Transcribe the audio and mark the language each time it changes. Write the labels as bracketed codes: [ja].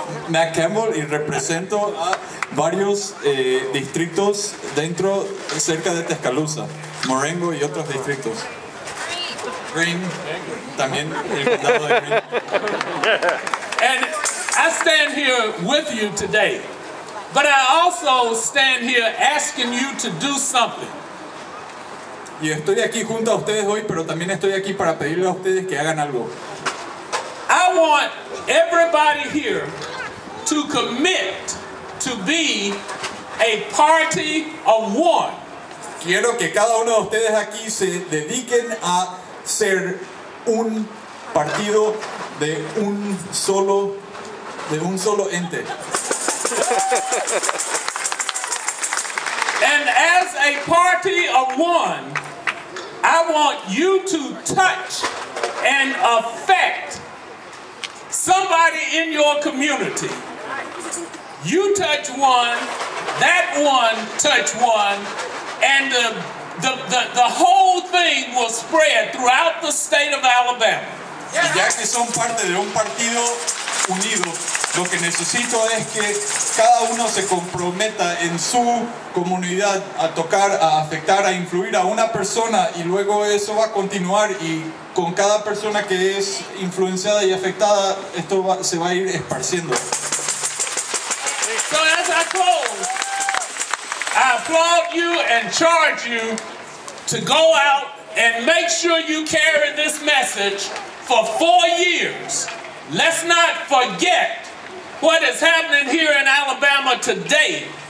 [es] Matt Campbell, y represento a varios distritos dentro, cerca de Tuscaloosa, Marengo y otros distritos. Green, también el condado de Green. [en] And I stand here with you today, but I also stand here asking you to do something. [es] Y estoy aquí junto a ustedes hoy, pero también estoy aquí para pedirle a ustedes que hagan algo. [en] I want everybody here to commit to be a party of one. [es] Quiero que cada uno de ustedes aquí se dediquen a ser un partido de un solo ente. [en] And as a party of one, I want you to touch and affect somebody in your community. You touch one, that one touch one, and the whole thing will spread throughout the state of Alabama. [es] Y ya que son parte de un partido unido, lo que necesito es que cada uno se comprometa en su comunidad a tocar, a afectar, a influir a una persona, y luego eso va a continuar, y con cada persona que es influenciada y afectada, esto va, se va a ir esparciendo. [en] So as I close, I applaud you and charge you to go out and make sure you carry this message for 4 years. Let's not forget what is happening here in Alabama today.